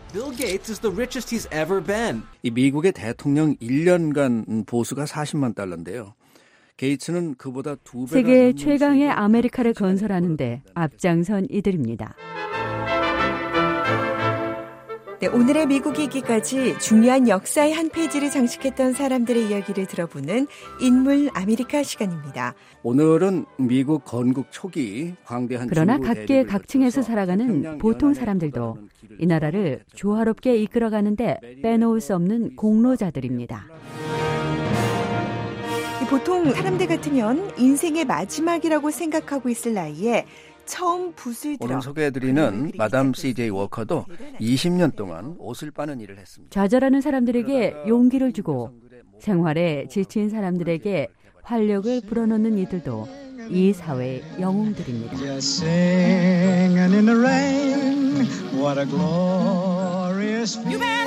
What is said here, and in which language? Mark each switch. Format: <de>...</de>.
<en>Bill Gates is the richest he's ever been.</en> <ko>이 미국의 대통령 1년간 보수가 40만 달러인데요. 게이츠는 그보다 두 배나 세계 최강의 아메리카를 건설하는데 앞장선 이들입니다. 네, 오늘의 미국이기까지 중요한 역사의 한 페이지를 장식했던 사람들의 이야기를 들어보는 인물 아메리카 시간입니다. 오늘은 미국 건국 초기 광대한 그러나 각계 각층에서 살아가는 보통 사람들도 이 나라를 조화롭게 이끌어가는데 빼놓을 수 없는 공로자들입니다. 보통 사람들 같으면 인생의 마지막이라고 생각하고 있을 나이에 처음 붓을 들어 오늘 소개해드리는 마담 CJ 워커도 20년 동안 옷을 빠는 일을 했습니다. 좌절하는 사람들에게 용기를 주고 생활에 지친 사람들에게 활력을 불어넣는 이들도 이 사회의 영웅들입니다.</ko> <en>Singing in the rain, what a glorious feeling.</en>